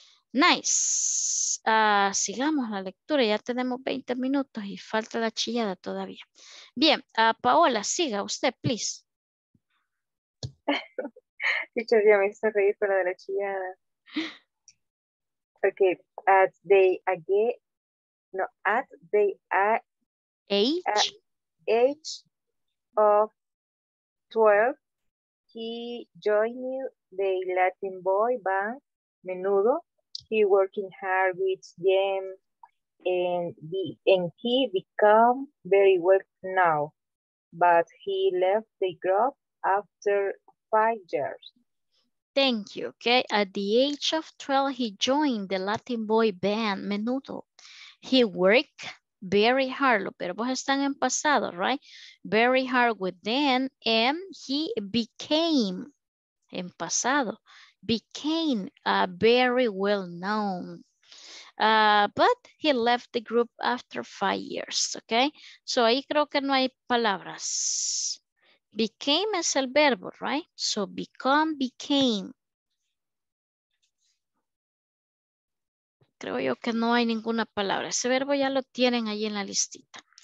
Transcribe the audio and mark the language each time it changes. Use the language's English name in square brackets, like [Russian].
[Spanish] Nice. Sigamos la lectura. Ya tenemos 20 minutos y falta la chillada todavía. Bien, Paola, siga usted, please. Teacher, ya me hizo reír con la de la chillada. [English] Ok, at the age. No, at the age of 12, he joined the Latin boy band Menudo. He working hard with them and he become very well now, but he left the group after 5 years. Thank you. Okay. At the age of 12, he joined the Latin boy band Menudo. He worked very hard. [Spanish] Los verbos están en pasado, right? [English] Very hard with them and he became [Spanish] en pasado. [English] Became very well known, but he left the group after 5 years. [Spanish] Okay, so ahí creo que no hay palabras. Became es el verbo, right? [English] So become, became. [Spanish] Creo yo que no hay ninguna palabra. Ese verbo ya lo tienen ahí en la listita.